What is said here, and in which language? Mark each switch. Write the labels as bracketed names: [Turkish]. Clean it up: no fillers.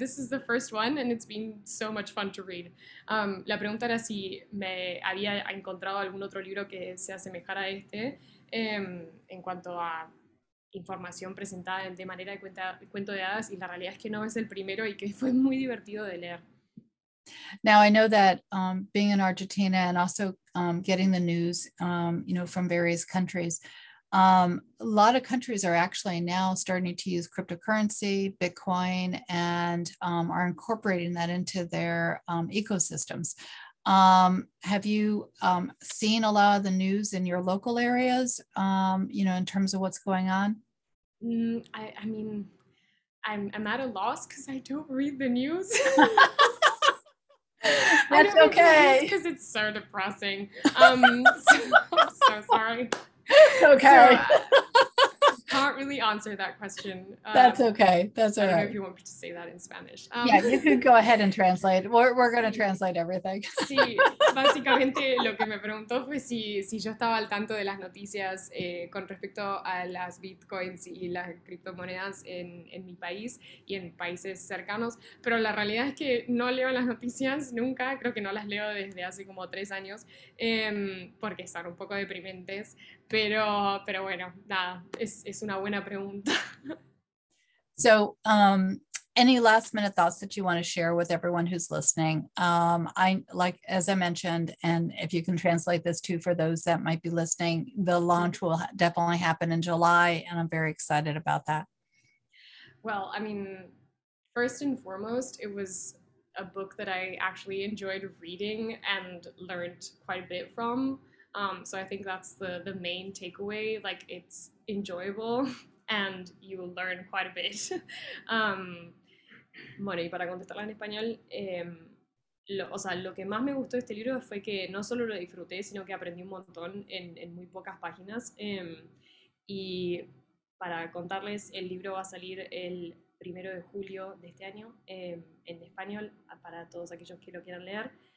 [English] This is the first one and it's been so much fun to read. [Spanish] La pregunta era si me había encontrado algún otro libro que se asemejara a este en cuanto a información presentada de manera de cuento de hadas, y la realidad es que no, es el primero y que fue muy divertido de leer. [English] Now, I know that being in Argentina and also getting the news, you know, from various countries, a lot of countries are actually now starting to use cryptocurrency, Bitcoin, and are incorporating that into their ecosystems. Have you seen a lot of the news in your local areas, you know, in terms of what's going on? I'm at a loss because I don't read the news. That's okay. Because it's so depressing. So, I'm so sorry. Okay. So, can't really answer that question. That's okay. That's all right. I don't know if you want me to say that in Spanish. Yeah, you can go ahead and translate. We're going to translate everything. [Spanish] Sí, básicamente lo que me preguntó fue si yo estaba al tanto de las noticias con respecto a las bitcoins y las criptomonedas en mi país y en países cercanos. Pero la realidad es que no leo las noticias nunca. Creo que no las leo desde hace como 3 años porque están un poco deprimentes. Pero bueno, nada, es una buena pregunta. [English] So, any last minute thoughts that you want to share with everyone who's listening? As I mentioned, and if you can translate this too for those that might be listening, the launch will definitely happen in July, and I'm very excited about that. Well, I mean, first and foremost, it was a book that I actually enjoyed reading and learned quite a bit from. So I think that's the main takeaway. Like, it's enjoyable and you will learn quite a bit. [Spanish] Bueno, y para contestarla en español, lo que más me gustó de este libro fue que no solo lo disfruté, sino que aprendí un montón en muy pocas páginas. Y para contarles, el libro va a salir el 1 de julio de este año en español para todos aquellos que lo quieran leer.